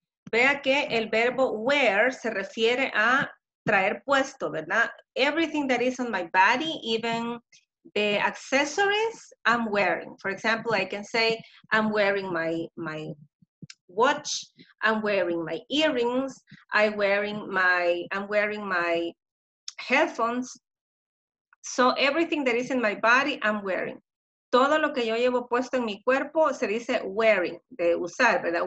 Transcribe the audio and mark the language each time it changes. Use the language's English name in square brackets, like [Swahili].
[Spanish] Vea que el verbo wear se refiere a traer puesto, ¿verdad? [English] Everything that is on my body, even the accessories I'm wearing. For example, I can say, I'm wearing my watch, I'm wearing my earrings, I'm wearing my headphones. So everything that is in my body, I'm wearing. [Spanish] Todo lo que yo llevo puesto en mi cuerpo se dice wearing, de usar, ¿verdad?